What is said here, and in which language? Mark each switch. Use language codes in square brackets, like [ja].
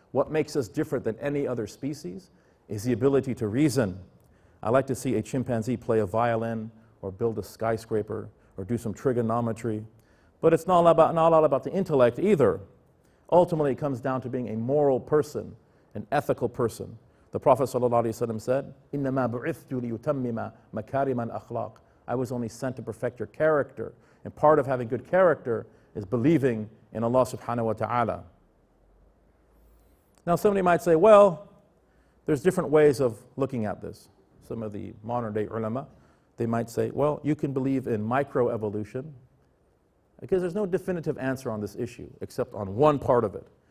[en] What makes us different than any other species is the ability to reason. I like to see a chimpanzee play a violin or build a skyscraper or do some trigonometry. But it's not all about the intellect either. Ultimately, it comes down to being a moral person, an ethical person. The Prophet ﷺ said, [ar] إِنَّمَا بُعِثْتُ لِيُتَمِّمَ مَكَارِمَ الْأَخْلَاقِ. [en] I was only sent to perfect your character. And part of having good character is believing in Allah subhanahu wa ta'ala. Now somebody might say, well, there's different ways of looking at this. Some of the modern day ulama, they might say, well, you can believe in microevolution, because there's no definitive answer on this issue, except on one part of it.